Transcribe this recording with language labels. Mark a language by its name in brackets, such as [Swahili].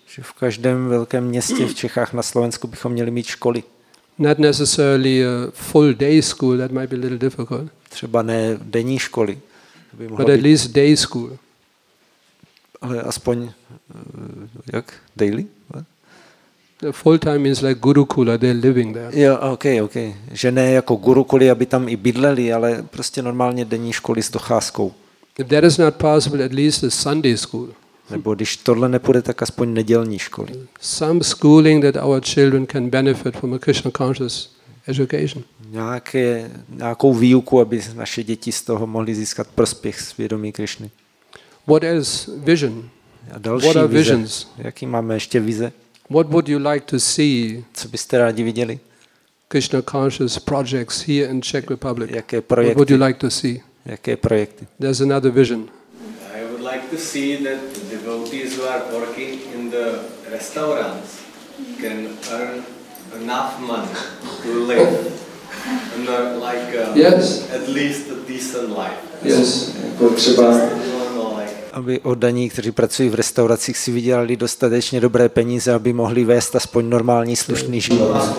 [Czech] Že v každém velkém městě v Čechách na Slovensku bychom měli mít školy. [English] Not necessarily a full day school, that might be a little difficult. [Czech] Třeba ne denní školy. [English] But at least day school. [Czech] Ale aspoň jak daily? [English] The full time means like gurukula, they're living there. Yeah, okay, okay. [Czech] Že ne jako gurukuly, aby tam i bydleli, ale prostě normálně denní školy s docházkou. [English] If that is not possible, at least a Sunday school. [Czech] Nebo když tohle nepůjde, tak aspoň nedělní školy. [English] Some schooling that our children can benefit from a Krishna conscious education. [Czech] Nějakou výuku, aby naše děti z toho mohly získat prospěch z vědomí Krišny. [English] What is vision? [Czech] A další [English] what are [Czech] vize? Visions? Jaký máme ještě vize? [English] What would you like to see? [Czech] Co byste rádi viděli? [English] Krishna conscious projects here in Czech Republic. [Czech] Jaké projekty? [English] What would you like to see? [Czech] Jaké projekty? [English] There's another vision. I would like to see that the devotees who are working in the restaurants can earn enough money to live and like yes. At least a decent life. Yes. [Czech] Aby oddaní, kteří pracují v restauracích, si vydělali dostatečně dobré peníze, aby mohli vést aspoň normální slušný život.